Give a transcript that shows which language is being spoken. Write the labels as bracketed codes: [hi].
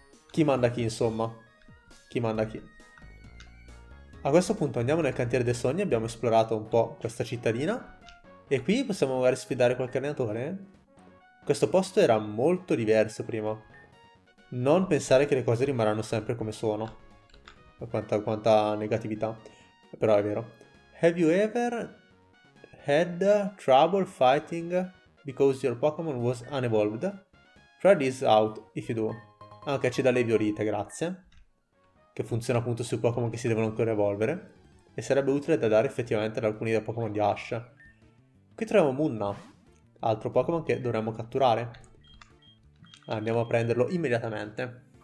[it] Chi manda chi, insomma. Chi manda chi. A questo punto andiamo nel cantiere dei sogni. Abbiamo esplorato un po' questa cittadina. E qui possiamo magari sfidare qualche allenatore. Questo posto era molto diverso prima. Non pensare che le cose rimarranno sempre come sono. Quanta negatività. Però è vero. [en] Have you ever had trouble fighting because your Pokémon was unevolved? Try this out if you do. [it] Ah, ok, ci dà le violette, grazie. Che funziona appunto sui Pokémon che si devono ancora evolvere. E sarebbe utile da dare effettivamente ad alcuni dei Pokémon di Ash. Qui troviamo Munna, altro Pokémon che dovremmo catturare. Andiamo a prenderlo immediatamente.